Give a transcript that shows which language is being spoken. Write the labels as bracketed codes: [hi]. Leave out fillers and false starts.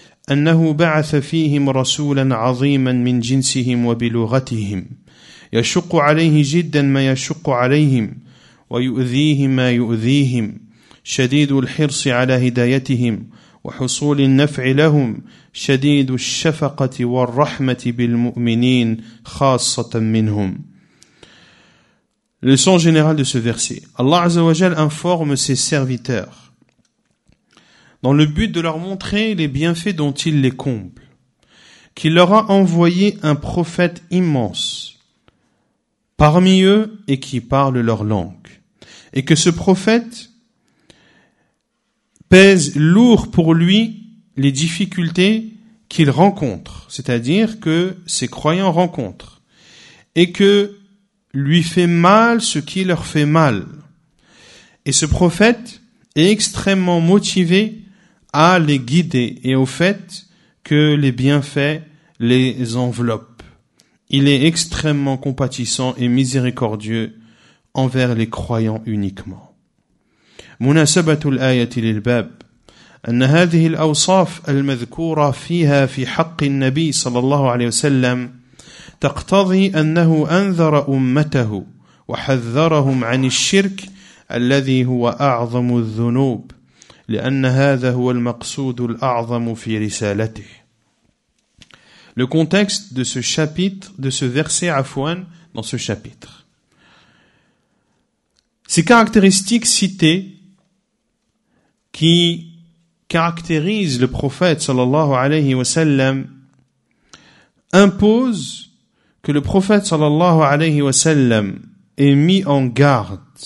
[ar] أنه بعث فيهم رسولا عظيما من جنسهم وبلغتهم، يشق عليه جدا ما يشق عليهم، ويؤذيهم ما يؤذيهم، شديد الحرص على هدايتهم وحصول النفع لهم، شديد الشفقة والرحمة بالمؤمنين خاصة منهم. [fr] Leçon générale de ce verset. Allah Azza wa Jal informe ses serviteurs dans le but de leur montrer les bienfaits dont il les comble, qu'il leur a envoyé un prophète immense parmi eux et qui parle leur langue, et que ce prophète pèse lourd pour lui les difficultés qu'il rencontre, c'est-à-dire que ses croyants rencontrent, et que lui fait mal ce qui leur fait mal. Et ce prophète est extrêmement motivé à les guider et au fait que les bienfaits les enveloppent. Il est extrêmement compatissant et miséricordieux envers les croyants uniquement. [ar] مناسبة الآية للباب أن هذه الأوصاف المذكورة فيها في حق النبي صلى الله عليه وسلم تقتضي أنه أنذر أمته وحذرهم عن الشرك الذي هو أعظم الذنوب، لأن هذا هو المقصود الأعظم في رسالته. [fr] Le contexte de ce chapitre, de ce verset afouan dans ce chapitre. Ces caractéristiques citées qui caractérisent le prophète sallallahu alayhi wa sallam imposent que le prophète sallallahu alayhi wa sallam est mis en garde